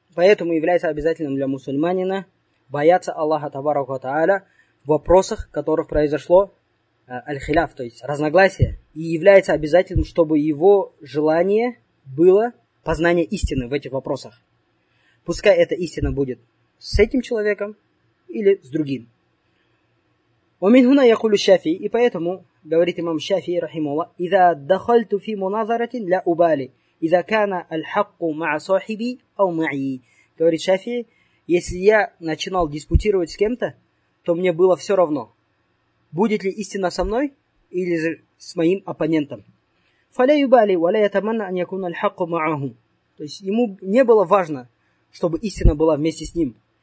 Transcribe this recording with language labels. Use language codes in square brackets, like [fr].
[ru] Поэтому является обязательным для мусульманина бояться Аллаха табарака тааля в вопросах, которых произошло аль-хиляф, то есть разногласие, и является обязательным, чтобы его желание было познание истины в этих вопросах. Пускай эта истина будет с этим человеком или с другим. [ar] ومن هنا يقول الشافعي, [ru] и поэтому говорит имам Шафии рахима Аллах, [ar] إذا دخلت في مناظرة لا أبالي إذا كان الحق مع صاحبي أو معي. [ru] Говорит Шафии, если я начинал диспутировать с кем-то, то мне было все равно, будет ли истина со мной или же с моим оппонентом. [ar] فَلَا يُبَالِي وَلَا يَتَمَنَّ أَنْ يَكُونَ الْحَقُّ مَعَهُ. [ru] То есть ему не было важно, чтобы истина была вместе с ним.